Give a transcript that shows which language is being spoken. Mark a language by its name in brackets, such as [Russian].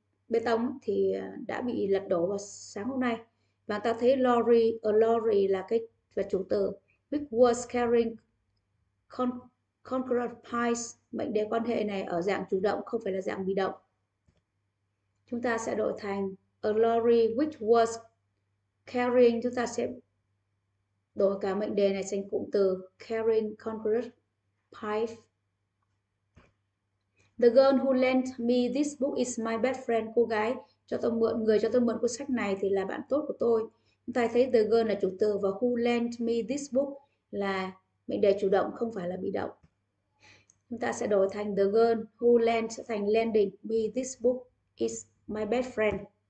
[Vietnamese] bê tông thì đã bị lật đổ vào sáng hôm nay. Và ta thấy lorry, lorry là cái và chủ từ [English] which was carrying concrete piles, [Vietnamese] mệnh đề quan hệ này ở dạng chủ động không phải là dạng bị động. Chúng ta sẽ đổi thành [English] a lorry which was carrying, [Vietnamese] chúng ta sẽ đổi cả mệnh đề này thành cụm từ carrying concrete pipe. [English] The girl who lent me this book is my best friend. [Vietnamese] Cô gái cho tôi mượn, người cho tôi mượn cuốn sách này thì là bạn tốt của tôi. Chúng ta thấy the girl là chủ từ và who lent me this book là mệnh đề chủ động không phải là bị động. Chúng ta sẽ đổi thành the girl who lent sẽ thành [English] lending me this book is my best friend.